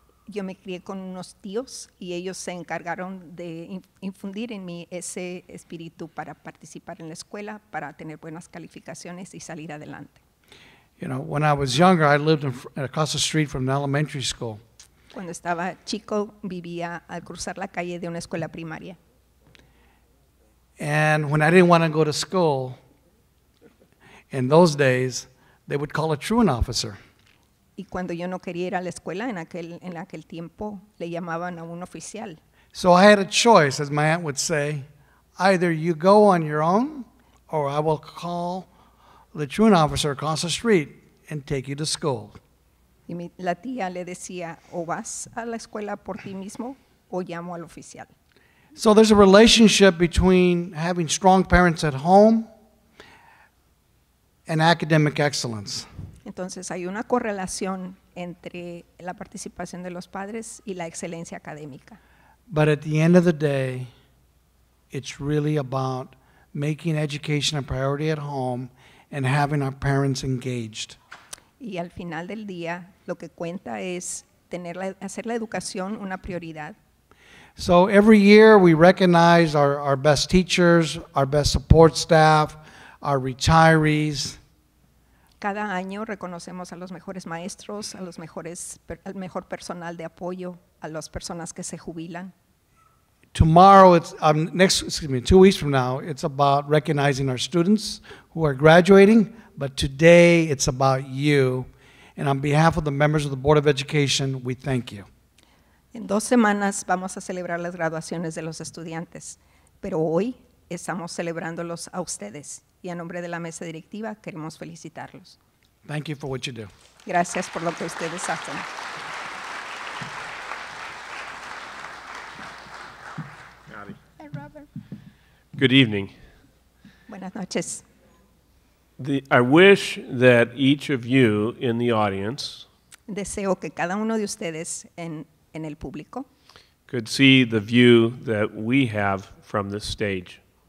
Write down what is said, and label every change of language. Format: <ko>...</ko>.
<es>Yo me crié con unos tíos y ellos se encargaron de infundir en mí ese espíritu para participar en la escuela, para tener buenas calificaciones y salir adelante.</es> <en>You know, when I was younger, I lived across the street from an elementary school.</en> <es>Cuando estaba chico, vivía al cruzar la calle de una escuela primaria.</es> <en>And when I didn't want to go to school, in those days, they would call a truant officer.</en> <es>Y cuando yo no quería ir a la escuela, en aquel tiempo, le llamaban a un oficial.</es> <en>So I had a choice, as my aunt would say, either you go on your own, or I will call the truant officer across the street and take you to school.</en> <es>Y la tía le decía, o vas a la escuela por ti mismo, o llamo al oficial.</es> <en>So there's a relationship between having strong parents at home and academic excellence.</en> <es>Entonces hay una correlación entre la participación de los padres y la excelencia académica.</es> <en>But at the end of the day, it's really about making education a priority at home and having our parents engaged.</en> <es>Y al final del día, lo que cuenta es hacer la educación una prioridad</es> <en>So every year we recognize our best teachers, our best support staff, our retirees.</en> <es>Cada año reconocemos a los mejores maestros, a los mejores, al mejor personal de apoyo, a las personas que se jubilan.</es> <en>Tomorrow, two weeks from now, it's about recognizing our students who are graduating, but today it's about you. And on behalf of the members of the Board of Education, we thank you.</en> <es>En dos semanas vamos a celebrar las graduaciones de los estudiantes, pero hoy estamos celebrándolos a ustedes. Y a nombre de la mesa directiva, queremos felicitarlos.</es> <en>Thank you for what you do.</en> <es>Gracias por lo que ustedes hacen.</es> <en>Good evening.</en> <es>Buenas noches.</es> <en>I wish that each of you in the audience</en> <es>deseo que cada uno de ustedes en el público</es> <en>could see the view that we have from this stage.</en>